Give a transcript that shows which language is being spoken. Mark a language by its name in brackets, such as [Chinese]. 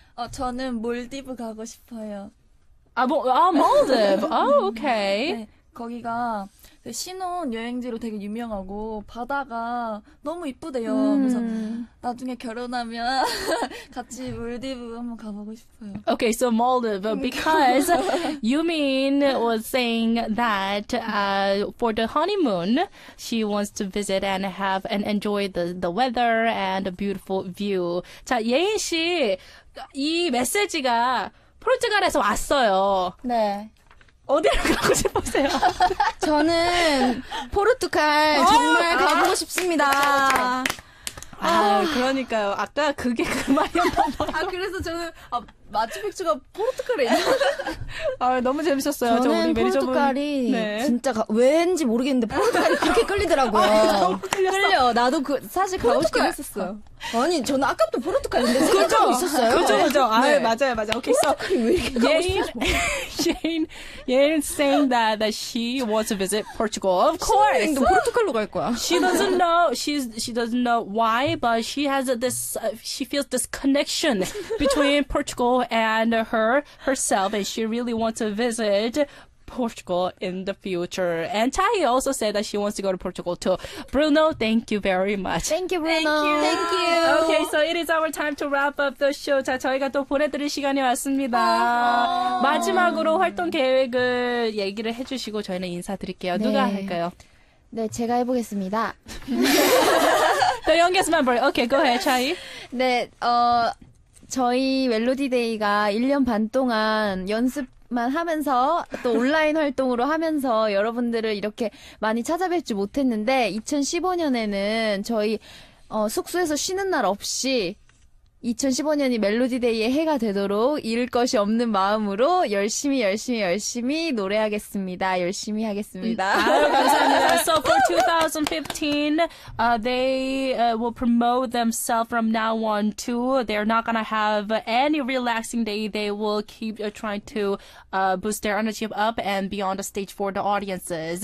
[Korean] 저는 몰디브 가고 싶어요. 몰디브. 오, 오케이. 거기가 신혼 여행지로 되게 유명하고 바다가 너무 이쁘대요. 그래서 나중에 결혼하면 같이 몰디브 한번 가보고 싶어요. [English] Okay, so Maldives. Because Yumin was saying that for the honeymoon, she wants to visit and have and enjoy the weather and a beautiful view. [Korean] 자, 예인 씨. 이 메시지가 포르투갈에서 왔어요. 네. 어디로 가고 싶으세요? 저는 포르투갈 정말 가보고 싶습니다. 아, 그러니까요. 아까 그게 그 말이었나봐요. 아, 그래서 저는 마추픽추가 포르투갈에 있는. 아, 너무 재밌었어요. 저는 저 우리 포르투갈이 매니저분. 네. 진짜 왠지 모르겠는데 포르투갈이 그렇게 끌리더라고요. 끌려. 나도 그 사실 가고 싶긴 했었어. 아니, 저는 아까부터 포르투갈인데 생각하고 있었어요. 그죠. 아, 네. 맞아요, 맞아요. 오케이, 포르투갈이 왜 이렇게 가고 싶어? [English] Yeon saying that she wants to visit Portugal. Of course. [Korean] 신혼여행도 포르투갈로 갈 거야. [English] She doesn't know why, but she has this, she feels this connection between Portugal and herself, and she really wants to visit Portugal in the future. And Tai also said that she wants to go to Portugal too. Bruno, thank you very much. Thank you, Bruno. Thank you. Okay, so it is our time to wrap up the show. [Korean] 자, 저희가 또 보내드릴 시간이 왔습니다. 마지막으로 활동 계획을 얘기를 해주시고 저희는 인사드릴게요. 네. 누가 할까요? 네, 제가 해보겠습니다. [English] The youngest member. Okay, go ahead, Tai. [Korean] 네, 저희 멜로디데이가 1년 반 동안 연습만 하면서 또 온라인 활동으로 하면서 여러분들을 이렇게 많이 찾아뵙지 못했는데 2015년에는 저희 숙소에서 쉬는 날 없이 2015년이 멜로디데이의 해가 되도록 잃을 것이 없는 마음으로 열심히 노래하겠습니다. 열심히 하겠습니다. 감사합니다. [English] So for 2015, they will promote themselves from now on too. They're not gonna have any relaxing day. They will keep trying to boost their energy up and be on the stage for the audiences.